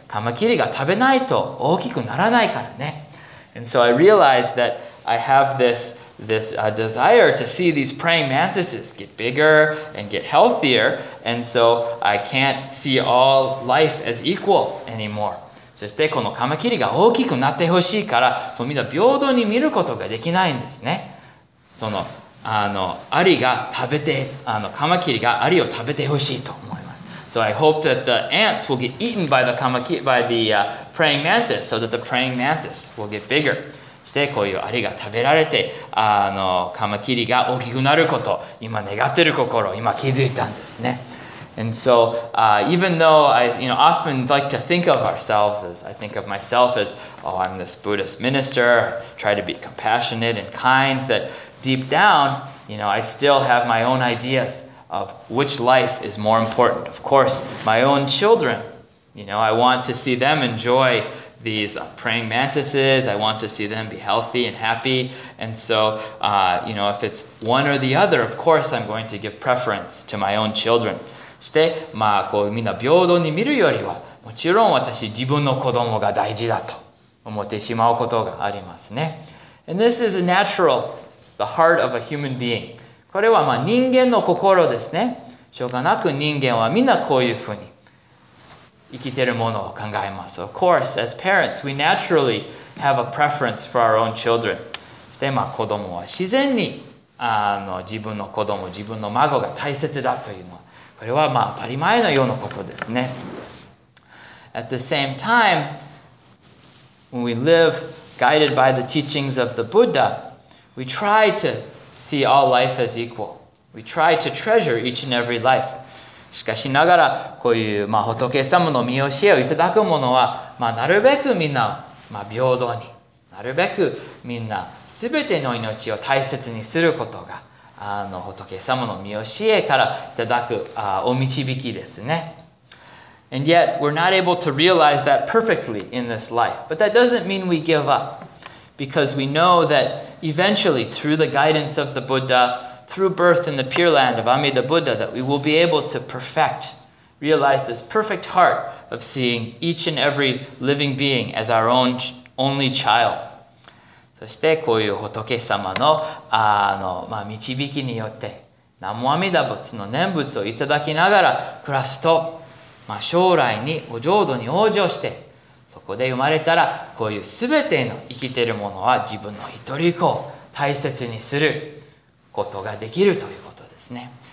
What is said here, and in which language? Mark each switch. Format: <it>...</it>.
<ja>カマキリが食べないと大きくならないからね。</ja> <en>And so I realized that I have this desire to see these praying mantises get bigger and get healthier, and so I can't see all life as equal anymore.</en> <ja>そしてこのカマキリが大きくなってほしいから、そのみんな平等に見ることができないんですね。そのアリが食べて、カマキリがアリを食べてほしいと思います。</ja> <en>So I hope that the ants will get eaten by the praying mantis, so that the praying mantis will get bigger.</en> <ja>そしてこういうアリが食べられて、カマキリが大きくなること、今願ってる心、今気づいたんですね。</ja> <en>And so, even though I, you know, often like to think of ourselves as, I think of myself as, oh, I'm this Buddhist minister, try to be compassionate and kind, that deep down, you know, I still have my own ideas. Of which life is more important. Of course, my own children. You know, I want to see them enjoy these praying mantises. I want to see them be healthy and happy. And so, you know, if it's one or the other, of course, I'm going to give preference to my own children.</en> <ja>そして、まあ、こうみんな平等に見るよりは、もちろん私、自分の子供が大事だと思ってしまうことがありますね。</ja> <en>And this is a natural, the heart of a human being.</en> <ja>これはまあ人間の心ですね。しょうがなく人間はみんなこういうふうに生きているものを考えます。</ja> <en>Of course, as parents, we naturally have a preference for our own children.</en> <ja>そしてまあ子供は自然に自分の子供、自分の孫が大切だというのは、これはまあ当たり前のようなことですね。</ja> <en>At the same time, when we live guided by the teachings of the Buddha, we try to see all life as equal. We try to treasure each and every life.</en> <ja>しかしながら、こういう、まあ、仏様の御教えをいただくものは、まあ、なるべくみんな、まあ、平等に、なるべくみんな、すべての命を大切にすることが、仏様の御教えからいただく、お導きですね。</ja> <en>And yet, we're not able to realize that perfectly in this life. But that doesn't mean we give up. Because we know that eventually, through the guidance of the Buddha, through birth in the Pure Land of Amida Buddha, that we will be able to perfect, realize this perfect heart of seeing each and every living being as our own only child.</en> <ja>そしてこういう仏様の、まあ、導きによって南無阿弥陀仏の念仏をいただきながら暮らすと、まあ、将来にお浄土に往生してそこで生まれたらこういうすべての生きているものは自分の一人子を大切にすることができるということですね。</ja>